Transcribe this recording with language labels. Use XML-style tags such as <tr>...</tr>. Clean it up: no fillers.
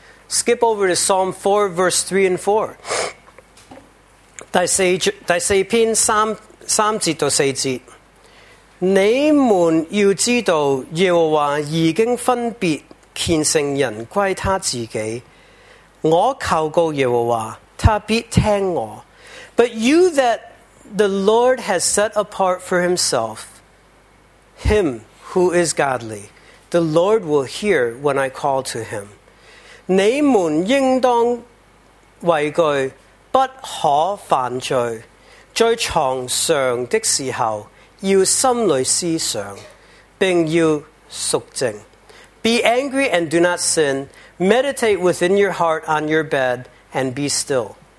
<en>Skip over to Psalm 4, verse 3 and 4.</en> <zh>第四篇三節到四節。你们要知道，耶和华已经分别虔诚人归他自己。我求告耶和华，他必听我。</zh> <en>But you that the Lord has set apart for himself, him who is godly, the Lord will hear when I call to him.</en> <zh>你们应当畏惧，不可犯罪，在床上的时候要心里思想，并要肃静。</zh> <en>Be angry and do not sin. Meditate within your heart on your bed and be still.</en>